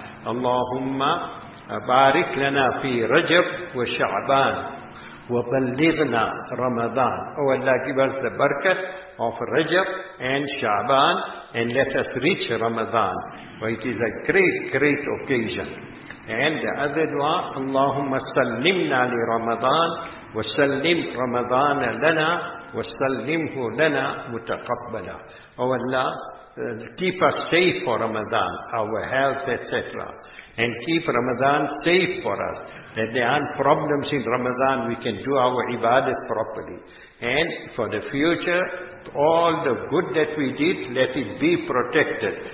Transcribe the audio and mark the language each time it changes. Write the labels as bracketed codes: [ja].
[ar] Allahumma barik lana fi Rajab wa Sha'ban. وَبَلِّغْنَا رَمَضَانَ. [en] Oh Allah, give us the barakat of Rajab and Sha'ban and let us reach Ramadan. For it is a great, great occasion. And the other dua, [ar] اللَّهُمَّ سَلِّمْنَا لِرَمَضَانَ وَسَلِّمْ رَمَضَانَ لَنَا وَسَلِّمْهُ لَنَا مُتَقَبَّلًا. [en] Oh Allah, keep us safe for Ramadan, our health, etc. And keep Ramadan safe for us, that there aren't problems in Ramadan, we can do our ibadat properly. And for the future, all the good that we did, let it be protected.